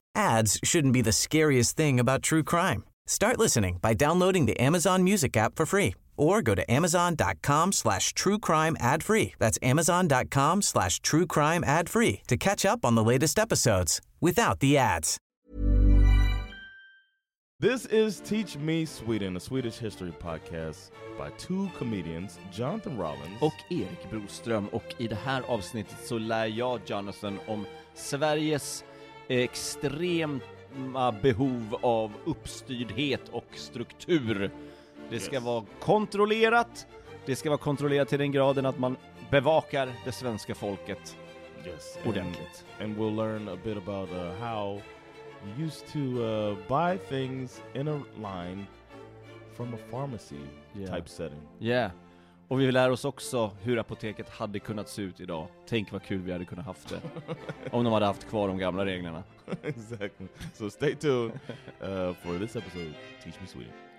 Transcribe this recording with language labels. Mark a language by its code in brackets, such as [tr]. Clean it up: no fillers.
[en] Ads shouldn't be the scariest thing about true crime. Start listening by downloading the Amazon Music app for free or go to amazon.com/truecrimeadfree. That's amazon.com/truecrimeadfree to catch up on the latest episodes without the ads. This is Teach Me Sweden, a Swedish history podcast by two comedians, Jonathan Rollins [sv] och Erik Broström. Och i det här avsnittet så lär jag Jonathan om Sveriges extrema behov av uppstyrdhet och struktur. Det ska vara kontrollerat. Det ska vara kontrollerat till den graden att man bevakar det svenska folket ordentligt. [en] And we'll learn a bit about how used to buy things in a line from a pharmacy type setting. Yeah. [sv] Och vi lär oss också hur apoteket hade kunnat se ut idag. Tänk vad kul vi hade kunnat haft det. Om de hade haft kvar de gamla reglerna. [en] Exactly. So stay tuned for this episode of Teach Me Sweden.